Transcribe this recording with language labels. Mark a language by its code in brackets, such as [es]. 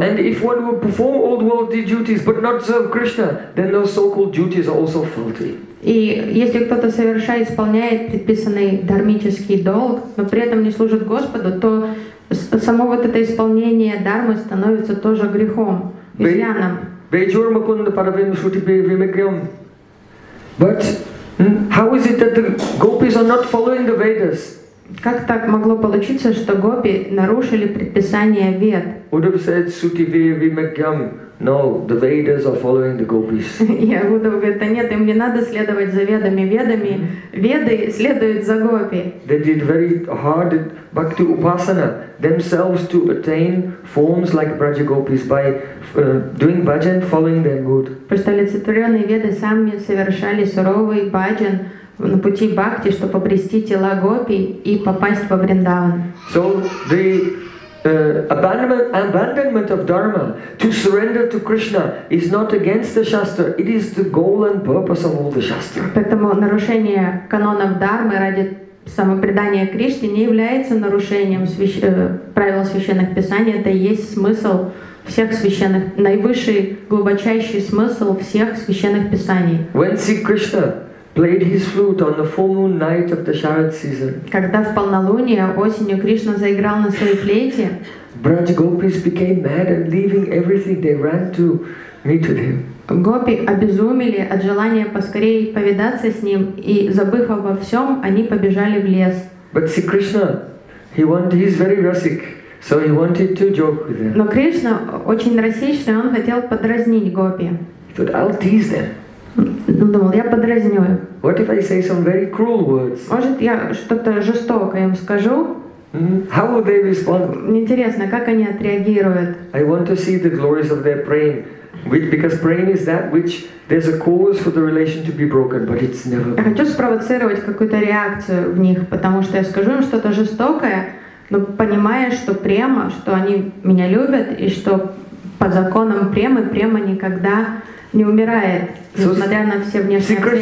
[en] And if one will perform all worldly duties but not serve Krishna, then those so-called duties are also faulty. [ru] И если кто-то совершает, исполняет предписанный дармический долг, но при этом не служит Господу, то само вот это исполнение дармы становится тоже грехом, изъяном. [sa] Бейджор макунда паравим шутипе вимекьям. [en] But how is it that the gopis are not following the Vedas? [ru] Как так могло получиться, что гопи нарушили предписание Вед? [en] Удав said [sa] сутиве вимекьям. [en] No, the Vedas are following the gopis. [ru] Я Удав говорит, а нет, им не надо следовать за ведами, ведами. Веды следуют за гопи. [en] They did very hard bhakti upasana themselves to attain forms like Brajagopis by doing bhajan, following their mood. [ru] Просто олицетворенные веды сами совершали суровый бхаджан на пути бхакти, чтобы обрести тела гопи и попасть во Вриндаван. [en] So the abandonment of dharma to surrender to Krishna is not against the shastra. It is the goal and purpose of all the shastra. [ru] Поэтому нарушение канонов дхармы ради самопредания Кришне не является нарушением правил священных писаний. Это и есть смысл всех священных, наивысший, глубочайший смысл всех священных писаний. [en] When Sri Krishna played his flute on the full moon night of the Sharad season. [ru] Когда в полнолуние осенью Кришна заиграл на своей флейте, [en] Braj Gopis became mad and leaving everything they ran to meet with him. [ru] Гопи обезумели от желания поскорее повидаться с ним и забыв обо всем, они побежали в лес. [en] But Sri Krishna, he's very rasic, so he wanted to joke with them. [ru] Но Кришна очень рассеянный, он хотел подразнить гопи. [en] But I'll tease them. [ru] Думал, я подразню. [en] What if I say some very cruel words? [ru] Может, я что-то жестокое им скажу? [en] How will they respond? [ru] Интересно, как они отреагируют? [en] I want to see the glories of their praying, because praying is that which there's a cause for the relation to be broken, but it's never. [ru] Я хочу спровоцировать какую-то реакцию в них, потому что я скажу им что-то жестокое, но понимая, что према, что они меня любят и что по законам премы према никогда не умирает, несмотря на все внешние